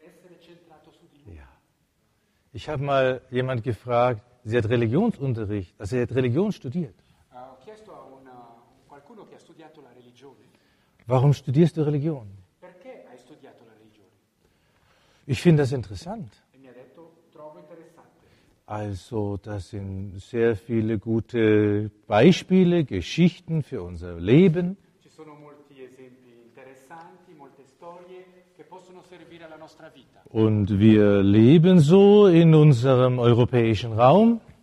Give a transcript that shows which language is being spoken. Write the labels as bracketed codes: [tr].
[it] concentrato su di lui. [de] Ja. Ich habe mal jemand gefragt, sie hat Religionsunterricht, also sie hat Religion studiert. [it] Ho chiesto a qualcuno che ha studiato la religione. [de] Warum studierst du Religion? [it] Perché hai studiato la religione? [de] Ich finde das interessant. [it] E mi ha detto, trovo interessante. [de] Also, das sind sehr viele gute Beispiele, Geschichten für unser Leben. [it] Ci sono molti esempi interessanti, molte storie che possono servire alla nostra vita. [de] Und wir leben so in unserem europäischen Raum.